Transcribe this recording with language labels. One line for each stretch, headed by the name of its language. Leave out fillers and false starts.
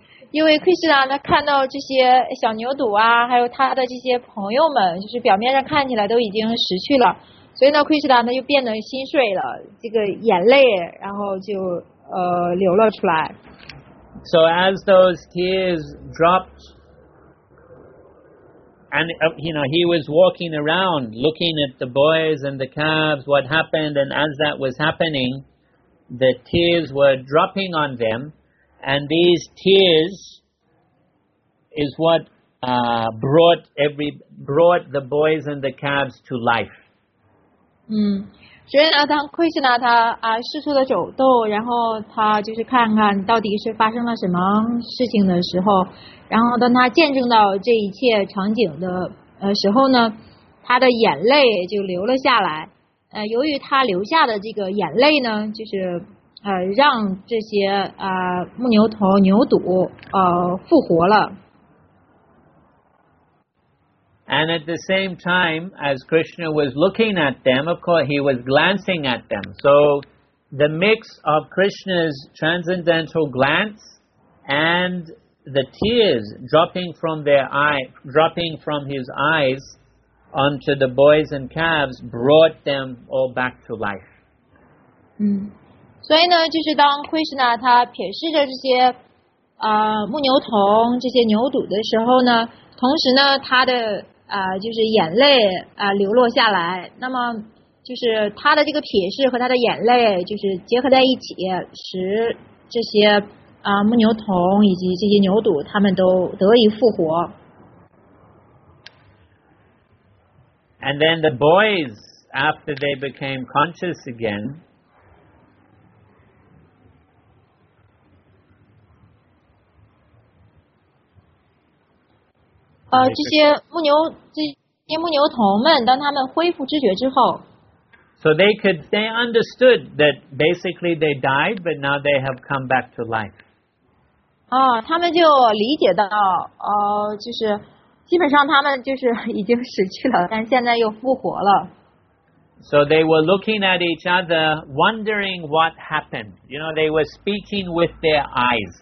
Chinese: 因为奎士达他看到这些小牛犊啊还有他的这些朋友们就是表面上看起来都已经死去了。所以呢奎士达呢就变得心碎了这个眼泪然后就流了出来。
English: So as those tears dropped, and you know, he was walking around looking at the boys and the calves, what happened, and as that was happening, the tears were dropping on them, and these tears is what brought the boys and the calves to life.
Chinese: 所以呢，当奎什纳他啊四处的走动，然后他就是看看到底是发生了什么事情的时候，然后当他见证到这一切场景的时候呢，他的眼泪就流了下来。由于他流下的这个眼泪呢，就是让这些木牛头牛犊复活了。
English: And at the same time, as Krishna was looking at them, of course, he was glancing at them. So the mix of Krishna's transcendental glance and the tears dropping from their eye, dropping from his eyes onto the boys and calves brought them all back to life.
Chinese: 所以呢，就是当 Krishna 他瞥视着这些木牛童、这些牛犊的时候呢，同时呢，他的就是眼泪流落下来，那么就是他的这个瞥视和他的眼泪就是结合在一起，使这些木牛童以及这些牛犊他们都得以复活。
English: And then the boys, after they became conscious again, So they could, they understood that basically they died, but now they have come back to life.
Chinese: 他们就理解到，就是基本上他们就是已经死去了，但现在又复活了。
English: So they were looking at each other, wondering what happened. You know, they were speaking with their eyes.